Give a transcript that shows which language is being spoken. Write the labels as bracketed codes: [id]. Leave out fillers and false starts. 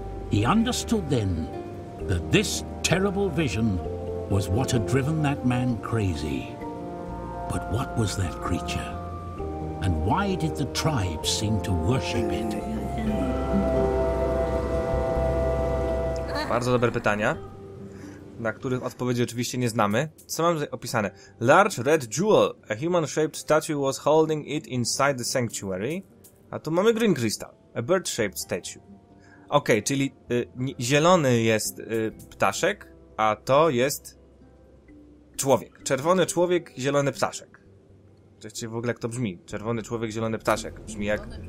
[en] He understood then that this terrible vision was what had driven that man crazy. But what was that creature? And why did the tribe seem to worship it? [pl] Bardzo dobre pytania, na których odpowiedzi oczywiście nie znamy. Co mam tutaj opisane? [en] Large red jewel, a human-shaped statue was holding it inside the sanctuary. [pl] A tu mamy [en] green crystal, a bird-shaped statue. [pl] Okej, czyli zielony jest ptaszek, a to jest człowiek. Czerwony człowiek, zielony ptaszek. Czekajcie, w ogóle jak to brzmi? Czerwony człowiek, zielony ptaszek. Brzmi jak...